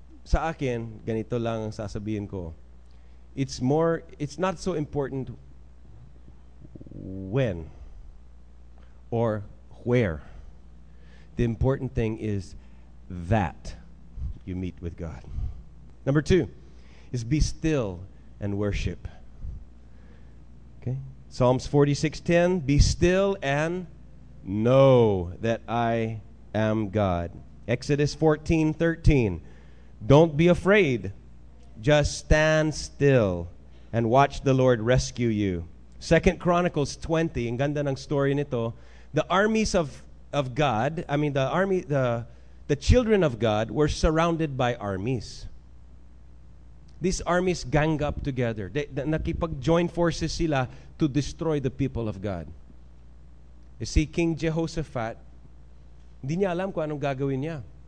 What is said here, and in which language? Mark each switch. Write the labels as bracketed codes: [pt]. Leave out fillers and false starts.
[tl] Sa akin, ganito lang ang sasabihin ko. [en] It's not so important when or where. The important thing is that you meet with God. Number 2 is be still and worship. Okay? Psalms 46:10, be still and know that I am God. Exodus 14:13, don't be afraid. Just stand still and watch the Lord rescue you. [tl] 2 Chronicles 20, ang ganda ng story nito. [en] The armies of God, I mean the children of God were surrounded by armies. These armies gang up together. They [tl] nakipag-join forces sila [en] to destroy the people of God. You see, [tl] King Jehoshaphat, hindi niya alam kung anong gagawin niya.